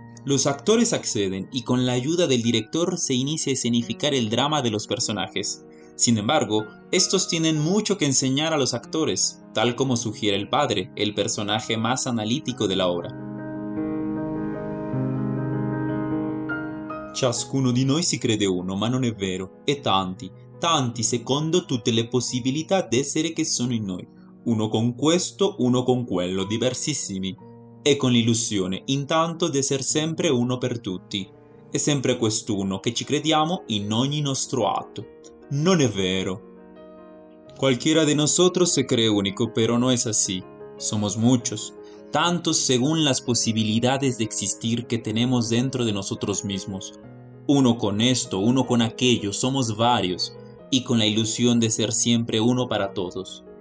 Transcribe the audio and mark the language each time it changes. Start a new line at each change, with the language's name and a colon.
Spanish: Los actores acceden y con la ayuda del director se inicia a escenificar el drama de los personajes. Sin embargo, estos tienen mucho que enseñar a los actores, tal como sugiere el padre, el personaje más analítico de la obra.
Italian: Ciascuno di noi si crede uno, ma non è vero, e tanti, tanti secondo tutte le possibilità d'essere che sono in noi, uno con questo, uno con quello, diversissimi, e con l'illusione, intanto, d'essere sempre uno per tutti, e sempre quest'uno che ci crediamo in ogni nostro atto. Non è vero.
Spanish: Cualquiera de nosotros se cree único, pero no es así. Somos muchos, tantos según las posibilidades de existir que tenemos dentro de nosotros mismos. Uno con esto, uno con aquello, somos varios, y con la ilusión de ser siempre uno para todos.